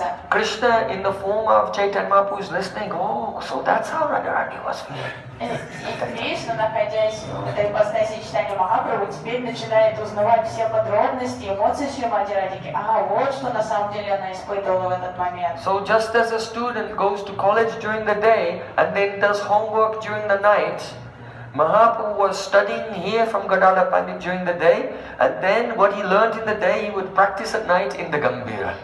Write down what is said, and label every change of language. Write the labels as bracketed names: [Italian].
[English] Krishna in the form of Chaitanya Mahaprabhu is listening, oh, so that's how Radharani was feeling. [Russian] Krishna, находясь в этой постаси Чайтанья Махапрабху, теперь начинает узнавать все подробности, эмоции Шримати Радики. Ага, вот что на самом деле она испытывала в этот момент. [English] So just as a student goes to college during the day and then does homework during the night, Mahaprabhu was studying here from Gadadhara Pandit during the day, and then what he learned in the day he would practice at night in the Gambhira.